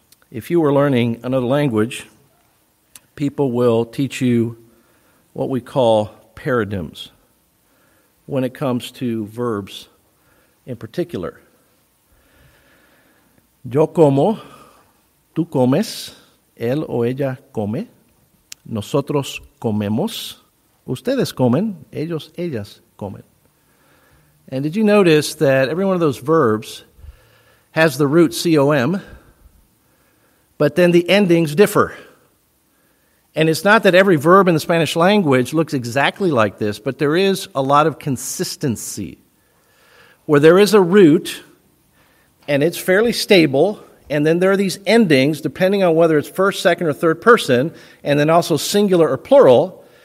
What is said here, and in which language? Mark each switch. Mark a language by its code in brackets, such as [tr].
[en] If you were learning another language, people will teach you what we call paradigms when it comes to verbs in particular. [es] Yo como, tú comes, él o ella come, nosotros comemos, ustedes comen, ellos, ellas comen. [en] And did you notice that every one of those verbs has the root C-O-M, but then the endings differ? And it's not that every verb in the Spanish language looks exactly like this, but there is a lot of consistency where there is a root and it's fairly stable, and then there are these endings depending on whether it's first, second, or third person, and then also singular or plural.